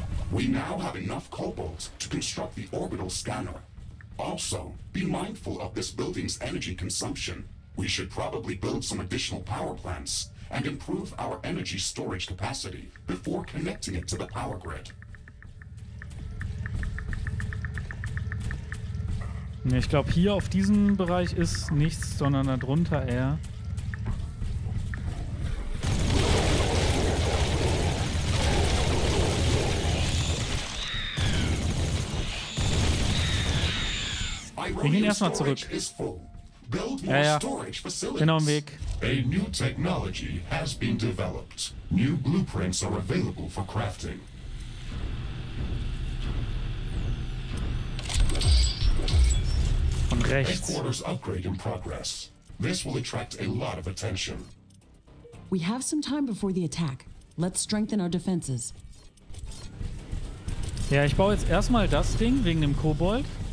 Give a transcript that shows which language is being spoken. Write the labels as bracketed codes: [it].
[en] We now have enough cobalt to construct the orbital scanner. Also, be mindful of this building's energy consumption. We should probably build some additional power plants and improve our energy storage capacity before connecting it to the power grid. [de] Ich glaube, hier auf diesem Bereich ist nichts, sondern darunter eher. Wir gehen erstmal zurück. Ja, ja. Genau im Weg. [en] A new technology has been developed. New blueprints are available for crafting. [de] Von rechts. [en] Headquarters upgrade in progress. This will attract a lot of attention. We have some time before the attack. Let's strengthen our defenses. [de] Ja, ich baue jetzt erstmal das Ding wegen dem Kobold.